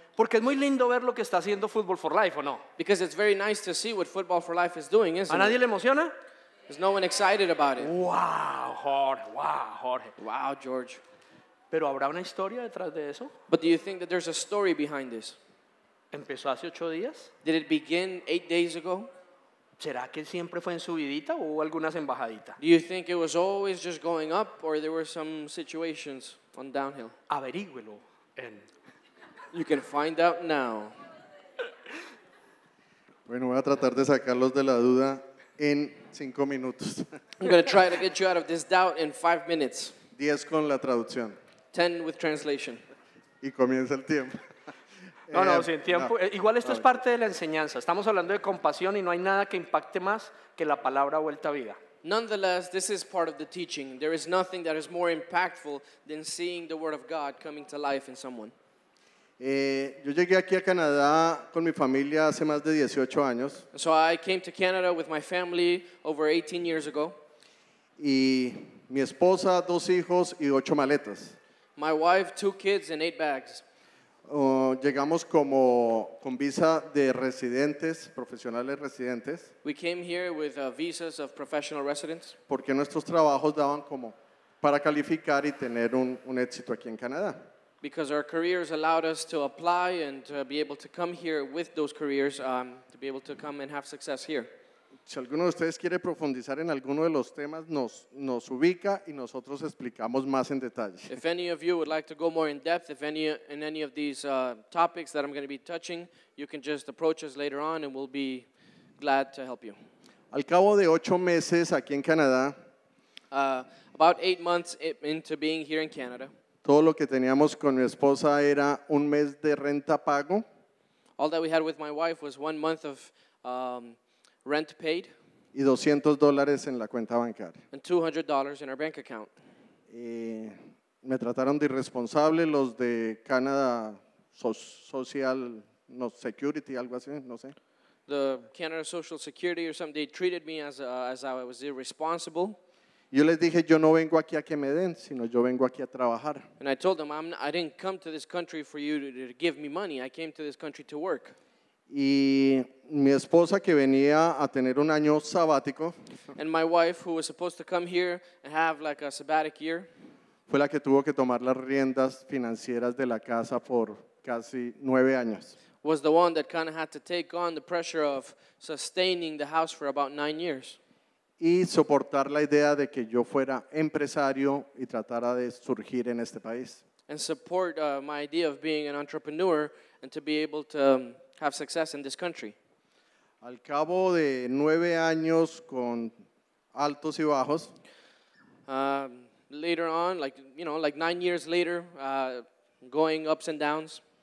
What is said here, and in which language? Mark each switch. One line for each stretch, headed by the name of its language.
Spanish: Porque es muy lindo ver lo que está haciendo Football for Life, ¿o no?
English: Because it's very nice to see what Football for Life is doing, isn't it?
Spanish: ¿A nadie le emociona?
English: Is no one excited about it?
Spanish: Wow, Jorge, wow, Jorge.
English: Wow, George.
Spanish: ¿Pero habrá una historia detrás de eso?
English: But do you think that there's a story behind this?
Spanish: ¿Empezó hace 8 días?
English: Did it begin 8 days ago?
Spanish: ¿Será que siempre fue en subidita o algunas embajaditas?
English: Do you think it was always just going up or there were some situations on downhill?
Spanish: Averígüelo. En...
English: You can find out now.
Spanish: Bueno, voy a tratar de sacarlos de la duda en 5 minutos.
English: I'm going to try to get you out of this doubt in 5 minutes.
Spanish: 10 con la traducción.
English: 10 with translation.
Spanish: Y comienza el tiempo. No, no, sin tiempo. No. Igual esto es parte de la enseñanza. Estamos hablando de compasión y no hay nada que impacte más que la palabra vuelta a vida.
English: Nonetheless, this is part of the teaching. There is nothing that is more impactful than seeing the word of God coming to life in someone.
Spanish: Yo llegué aquí a Canadá con mi familia hace más de 18 años.
English: So I came to Canada with my family over 18 years ago.
Spanish: Y mi esposa, 2 hijos y 8 maletas.
English: My wife, 2 kids and 8 bags.
Spanish: Llegamos como con visa de residentes, profesionales residentes.
English: We came here with visas of professional residents.
Spanish: Porque nuestros trabajos daban como para calificar y tener un éxito aquí en Canadá.
English: Because our careers allowed us to apply and to be able to come here with those careers, to be able to come and have success here.
Spanish: Si alguno de ustedes quiere profundizar en alguno de los temas, nos ubica y nosotros explicamos más en detalle.
English: If any of you would like to go more in depth, if any in any of these topics that I'm going to be touching, you can just approach us later on and we'll be glad to help you.
Spanish: Al cabo de 8 meses aquí en Canadá,
English: about 8 months into being here in Canada,
Spanish: todo lo que teníamos con mi esposa era un mes de renta pago.
English: All that we had with my wife was 1 month of rent paid.
Spanish: Y $200 en la cuenta bancaria.
English: And $200 in our bank account.
Spanish: Me trataron de irresponsable los de Canada Social no, Security, algo así, no sé.
English: The Canada Social Security or something, they treated me as I was irresponsible.
Spanish: Yo les dije, yo no vengo aquí a que me den, sino yo vengo aquí a trabajar.
English: And I told them, I didn't come to this country for you to give me money. I came to this country to work.
Spanish: Y mi esposa que venía a tener un año sabático.
English: And my wife, who was supposed to come here and have like a sabbatic year.
Spanish: Fue la que tuvo que tomar las riendas financieras de la casa por casi 9 años.
English: Was the one that kind of had to take on the pressure of sustaining the house for about 9 years.
Spanish: Y soportar la idea de que yo fuera empresario y tratara de surgir en este país.
English: And support my idea of being an entrepreneur and to be able to have success in this country.
Spanish: Al cabo de 9 años con altos y bajos.
English: Later on, like, you know, like 9 years later, going ups and downs.